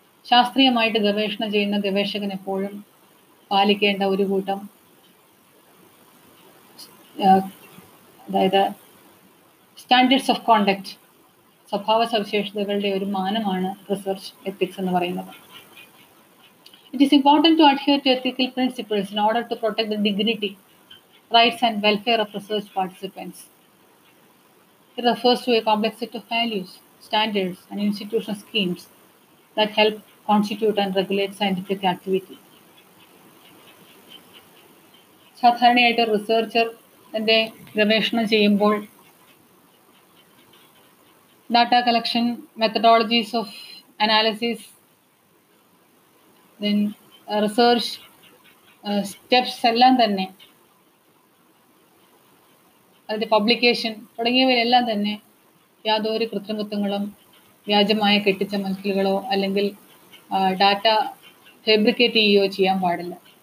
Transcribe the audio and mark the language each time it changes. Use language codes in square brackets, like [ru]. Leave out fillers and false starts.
[ml] ശാസ്ത്രീയമായിട്ട് ഗവേഷണം ചെയ്യുന്ന ഗവേഷകൻ എപ്പോഴും പാലിക്കേണ്ട ഒരു കൂട്ടം, അതായത് സ്റ്റാൻഡേർഡ്സ് ഓഫ് കോണ്ടക്ട്, സ്വഭാവ സവിശേഷതകളുടെ ഒരു മാനമാണ് റിസർച്ച് എത്തിക്സ് എന്ന് പറയുന്നത്. [en] It is important to adhere to ethical principles in order to protect the dignity, rights and welfare of research participants. It refers to a complex set of values, standards and institutional schemes that help constitute and regulate scientific activity. [ml] സാധാരണയായിട്ട് researcher തന്റെ ഗവേഷണം ചെയ്യുമ്പോൾ data collection, methodologies of analysis, then research steps എല്ലാം തന്നെ, അതിൻ്റെ publication തുടങ്ങിയവയെല്ലാം തന്നെ യാതൊരു കൃത്രിമത്വങ്ങളും വ്യാജമായ കെട്ടിച്ചമക്കലുകളോ അല്ലെങ്കിൽ ഡാറ്റ ഫാബ്രിക്കേറ്റ് ചെയ്യുകയോ ചെയ്യാൻ പാടില്ല.